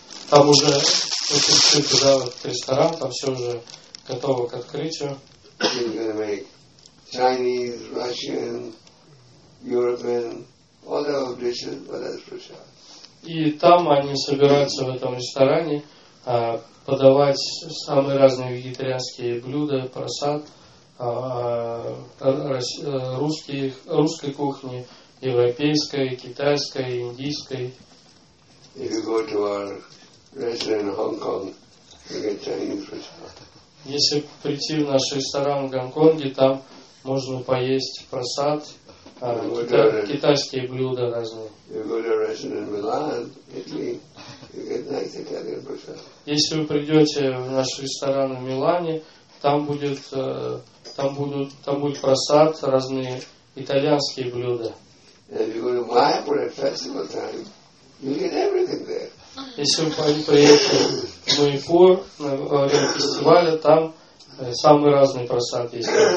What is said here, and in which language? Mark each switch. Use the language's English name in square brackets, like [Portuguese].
[Russian] Там уже открыт, да, вот ресторан, там все уже готовы к открытию. [English] We're gonna make Chinese, Russian, European, all our dishes, but as prasad. [Russian] И там они собираются в этом ресторане подавать самые разные вегетарианские блюда, просад русской кухни, европейской, китайской, индийской. [English] If you go to our restaurant in Hong Kong, you get Chinese prasad. [Russian] Если прийти в наш ресторан в Гонконге, там можно поесть просад, китайские блюда разные. [English] If you go to a restaurant in Milan, Italy, you get nice Italian prasad. [Russian] Если вы придете в наш ресторан в Милане, там будет просад, разные итальянские блюда. [English] And if you go to Mayapur at festival time, you get everything there. [Russian] Если вы приедете в Майпур на фестивале, там самый разный просад есть.